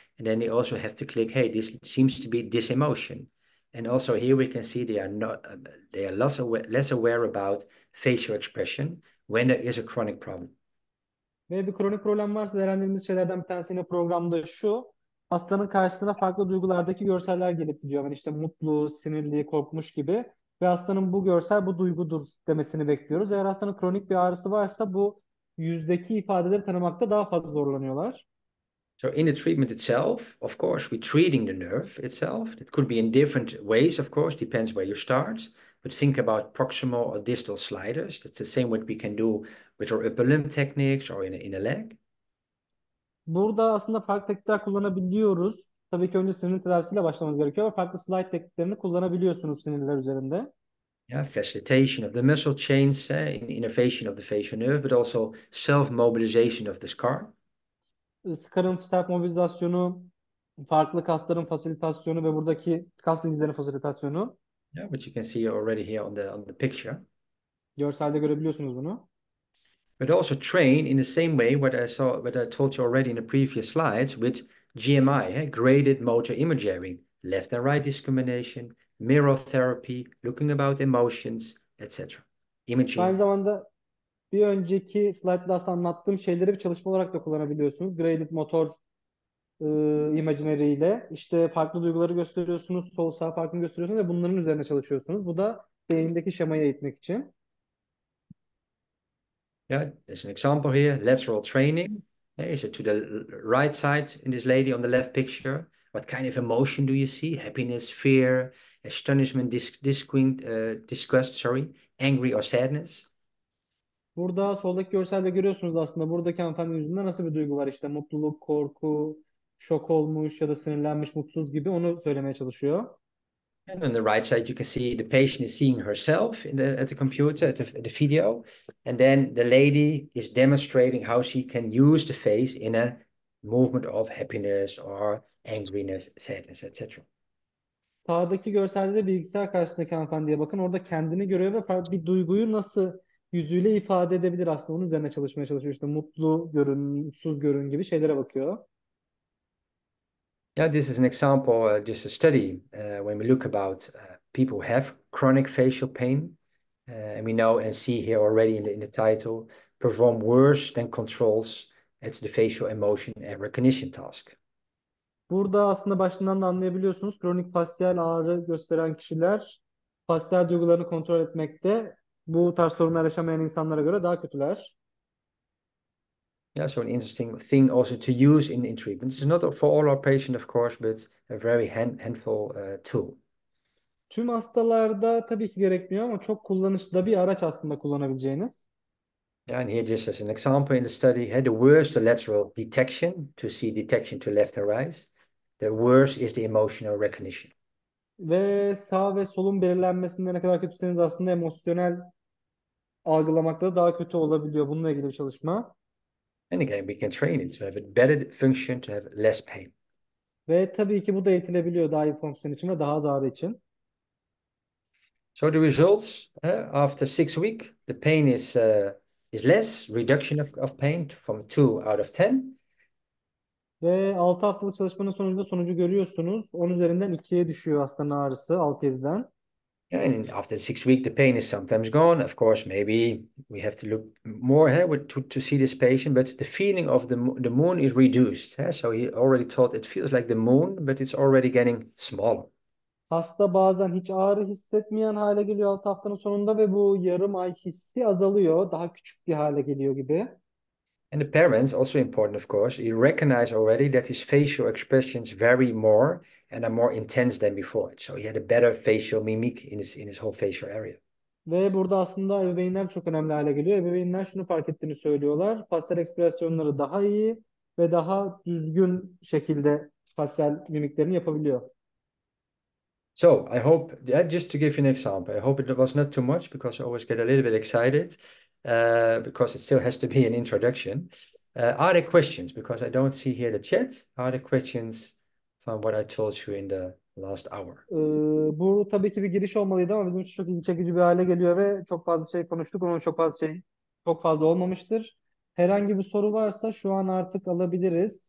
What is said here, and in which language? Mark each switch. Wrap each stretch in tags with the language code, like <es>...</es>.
<en>And then they also have to click, hey, this seems to be this emotion. And also here we can see they are less aware about facial expression when there is a chronic problem.</en> <tr>Ve bir kronik problem varsa değerlendirdiğimiz şeylerden bir tanesi yine programda şu. Hastanın karşısına farklı duygulardaki görseller gelip diyor. Yani işte mutlu, sinirli, korkmuş gibi. Ve hastanın bu görsel bu duygudur demesini bekliyoruz. Eğer hastanın kronik bir ağrısı varsa bu yüzdeki ifadeleri tanımakta daha fazla zorlanıyorlar.</tr> <en>So in the treatment itself, of course, we're treating the nerve itself. It could be in different ways, of course, depends where you start. But think about proximal or distal sliders. That's the same what we can do with our upper limb techniques or in a leg.</en> <tr>Burada aslında farklı teknikler kullanabiliyoruz. Tabii ki önce sinirin tedavisiyle başlamamız gerekiyor ama farklı slide tekniklerini kullanabiliyorsunuz sinirler üzerinde.</tr> <en>Yeah, facilitation of the muscle chains, innervation of the facial nerve, but also self-mobilization of the scar.</en> <tr>Scar'ın self-mobilizasyonu, farklı kasların fasilitasyonu ve buradaki kas zincirlerin fasilitasyonu.</tr> <en>Yeah, which you can see already here on the picture.</en> <tr>Görselde görebiliyorsunuz bunu.</tr> <en>But also train in the same way what I told you already in the previous slides with GMI, graded motor imaging, left and right discrimination, mirror therapy, looking about emotions, etc.</en> <tr>Aynı</tr> <en>Imaging.</en> <tr>zamanda bir önceki slide'da aslında anlattığım şeyleri bir çalışma olarak da kullanabiliyorsunuz. Graded motor imagineri ile işte farklı duyguları gösteriyorsunuz, sol sağ farkını gösteriyorsunuz ve bunların üzerine çalışıyorsunuz. Bu da beyindeki şemayı eğitmek için.</tr> <en>Yeah, there's an example here, lateral training. Is it to the right side in this lady on the left picture? What kind of emotion do you see? Happiness, fear, astonishment, disgust, sorry, angry or sadness?</en> <tr>Burada soldaki görselde görüyorsunuz aslında buradaki hanımefendinin yüzünde nasıl bir duygu var işte mutluluk, korku, şok olmuş ya da sinirlenmiş, mutsuz gibi onu söylemeye çalışıyor.</tr> <en>And on the right side, you can see the patient is seeing herself at the computer, at the video. And then the lady is demonstrating how she can use the face in a movement of happiness or angriness, sadness, etc.</en> <tr>Sağdaki görselde de bilgisayar karşısındaki hanımefendiye bakın. Orada kendini görüyor ve bir duyguyu nasıl yüzüyle ifade edebilir aslında. Onun üzerine çalışmaya çalışıyor. İşte mutlu görün, mutsuz görün gibi şeylere bakıyor.</tr> <en>Yeah, this is an example, just a study. When we look about people who have chronic facial pain, and we know and see here already in the title, perform worse than controls at the facial emotion and recognition task.</en> <tr>Burada aslında başından da anlayabiliyorsunuz. Kronik fasyal ağrı gösteren kişiler fasyal duygularını kontrol etmekte bu tarz sorunlar yaşamayan insanlara göre daha kötüler.</tr> <en>Yeah, so an interesting thing also to use in treatment. It's not for all our patients, of course, but a very handful tool.</en> <tr>Tüm hastalarda tabii ki gerekmiyor ama çok kullanışlı da bir araç aslında kullanabileceğiniz.</tr> <en>Yeah, and here just as an example in the study, the worse the lateral detection to see detection to left and right, the worse is the emotional recognition.</en> <tr>Ve sağ ve solun belirlenmesinde ne kadar kötüseniz aslında emosyonel algılamakta da daha kötü olabiliyor. Bununla ilgili bir çalışma.</tr> <en>And again, we can train it to have a better function, to have less pain.</en> <tr>Ve tabii ki bu da eğitilebiliyor daha iyi fonksiyon için ve daha az ağrı için.</tr> <en>So the results after 6 weeks, the pain is less, reduction of pain from 2 out of 10.</en> <tr>Ve 6 haftalık çalışmanın sonucunda sonucu görüyorsunuz. 10 üzerinden 2'ye düşüyor aslında ağrısı 6-7'den.</tr> <en>And after 6 weeks, the pain is sometimes gone. Of course, maybe we have to look more to see this patient, but the feeling of the moon is reduced. So he already thought it feels like the moon, but it's already getting smaller.</en> <tr>Hasta bazen hiç ağrı hissetmeyen hale geliyor 6 haftanın sonunda ve bu yarım ay hissi azalıyor. Daha küçük bir hale geliyor gibi.</tr> <en>And the parents, also important, of course, you recognize already that his facial expressions vary more and are more intense than before. So he had a better facial mimic in his whole facial area.</en> <tr>Ve burada aslında ebeveynler çok önemli hale geliyor. Ebeveynler şunu fark ettiğini söylüyorlar. Fasyal ekspresyonları daha iyi ve daha düzgün şekilde fasyal mimiklerini yapabiliyor.</tr> <en>So I hope, just to give you an example, I hope it was not too much because I always get a little bit excited. Because it still has to be an introduction. Are there questions? Because I don't see here the chat. Are there questions from what I told you in the last hour?</en> <tr>Bu tabii ki bir giriş olmalıydı ama bizim için çok ilgi çekici bir hale geliyor ve çok fazla şey konuştuk ama çok fazla olmamıştır. Herhangi bir soru varsa şu an artık alabiliriz.</tr>